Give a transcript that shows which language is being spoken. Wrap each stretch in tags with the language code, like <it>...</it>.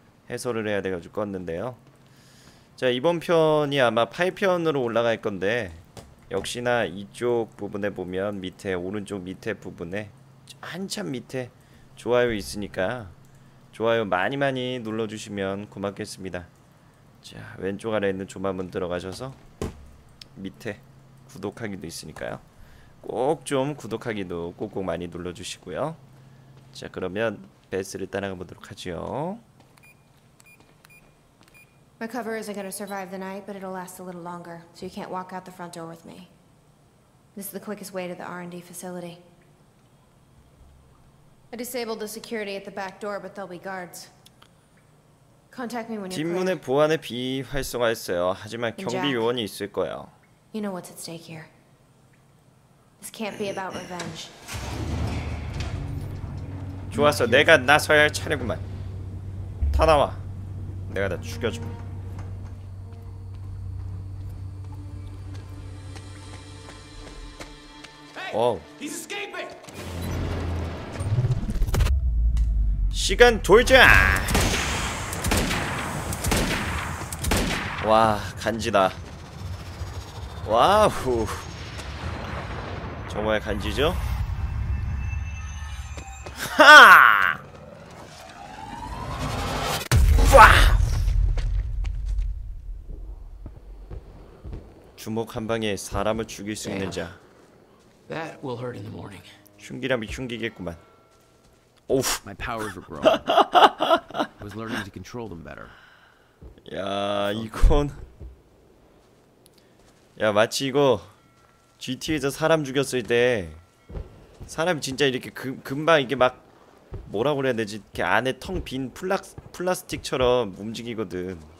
<ko>해설을 해야 돼가지고 껐는데요. 자, 이번 편이 아마 8편으로 올라갈 건데 역시나 이쪽 부분에 보면 밑에 오른쪽 밑에 부분에 한참 밑에 좋아요 있으니까 좋아요 많이 많이 눌러주시면 고맙겠습니다. 자, 왼쪽 아래 있는 조만문 들어가셔서 밑에 구독하기도 있으니까요. 꼭 좀 구독하기도 꼭꼭 많이 눌러주시고요. 자, 그러면 베스를 따라가 보도록 하죠.</ko> <en>My cover isn't going to survive the night, but it'll last a little longer, so you can't walk out the front door with me. This is the quickest way to the R&D facility. I disabled the security at the back door, but there'll be guards. Contact me when you're clear.</en> <ko>뒷문의 보안에 비활성화 있어요. 하지만 경비 요원이 있을 거예요.</ko> <en>You know what's at stake here. This can't be about revenge.</en> <ko>좋았어. 내가 나서야 할 차례구만. 다 나와. 내가 다 죽여줘. 와우. 시간 돌자. 와, 간지다. 와우. 정말 간지죠? 하! 와! 주먹 한 방에 사람을 죽일 수 있는 자.</ko> <en>That will hurt in the morning.</en> <ko>흉기라면 흉기겠구만. 오우.</ko> <en>My powers were growing. I was learning to control them better.</en> <ko>야, 이건. 야, 마치 이거 GTA에서 사람 죽였을 때 사람이 진짜 이렇게 금방 이게 막 뭐라고 해야 되지? 이렇게 안에 텅 빈 플라스틱처럼 움직이거든.</ko>